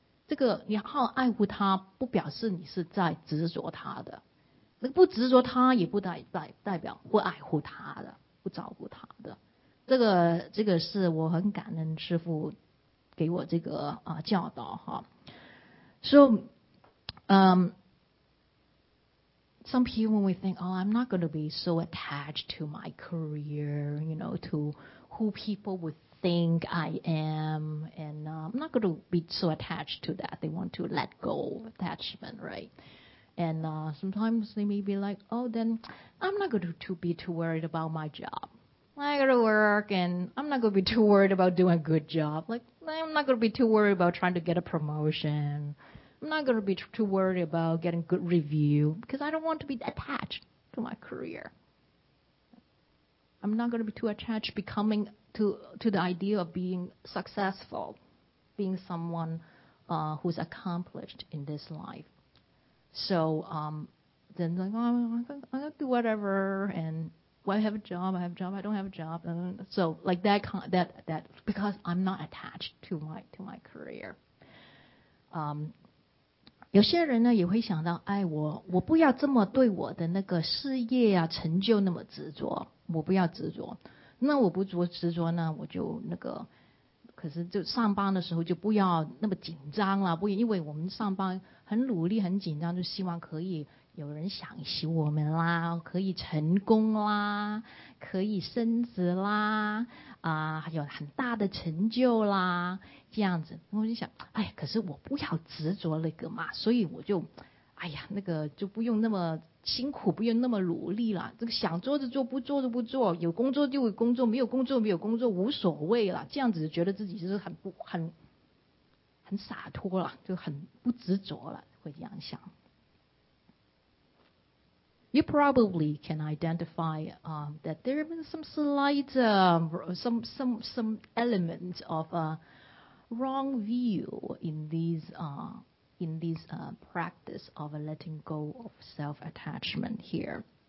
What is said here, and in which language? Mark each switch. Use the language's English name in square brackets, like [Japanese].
[Chinese] 这个你好爱护它，不表示你是在执着它的，那个不执着它也不代表不爱护它的，不照顾它的。这个是我很感恩师父给我这个教导哈。 [English] So, some people may think, oh, I'm not going to be so attached to my career, you know, to who people would think I am, and I'm not going to be so attached to that. They want to let go of attachment, right? And sometimes they may be like, oh, then I'm not going to be too worried about my job. I got to work, and I'm not going to be too worried about doing a good job. Like, I'm not going to be too worried about trying to get a promotion. I'm not going to be too worried about getting good review because I don't want to be attached to my career. I'm not going to be too attached becoming to the idea of being successful, being someone who's accomplished in this life. So then like, oh, I'm going to do whatever. And well, I have a job. I don't have a job. So like that because I'm not attached to my career. [Chinese] 有些人呢也会想到，哎，我不要这么对我的那个事业啊成就那么执着，我不要执着，那我不执着呢，我就那个，可是就上班的时候就不要那么紧张了，不因为我们上班很努力很紧张，就希望可以有人赏识我们啦，可以成功啦，可以升职啦，有很大的成就啦，这样子。我就想，哎，可是我不要执着那个嘛，所以我就，哎呀，那个就不用那么辛苦，不用那么努力啦，这个想做就做，不做就不做，有工作就有工作，没有工作没有工作无所谓啦，这样子觉得自己就是很洒脱啦，就很不执着了，会这样想。 [English] You probably can identify that there is some slight, some element of a wrong view in this practice of letting go of self-attachment here.